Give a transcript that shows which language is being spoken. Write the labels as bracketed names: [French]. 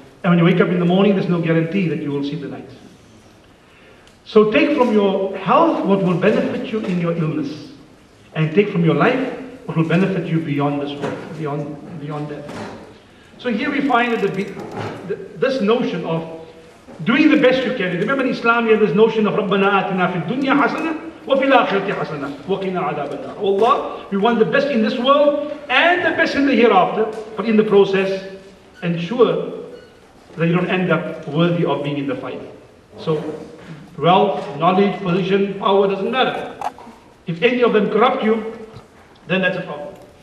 [English] And when you wake up in the morning, there's no guarantee that you will see the night. So take from your health what will benefit you in your illness. And take from your life what will benefit you beyond this world, beyond death. So here we find that this notion of doing the best you can. Remember in Islam, we have this notion of [Arabic] رَبَّنَا آتِنَا فِي الدُّنْيَا حَسَنَةً وَفِي الْآخِرَةِ حَسَنَةً وَقِنَا عَذَابَ النَّارِ. [English] Oh Allah, we want the best in this world and the best in the hereafter, but in the process, ensure that you don't end up worthy of being in the fire. So, wealth, knowledge, position, power, doesn't matter. If any of them corrupt you, then that's a problem.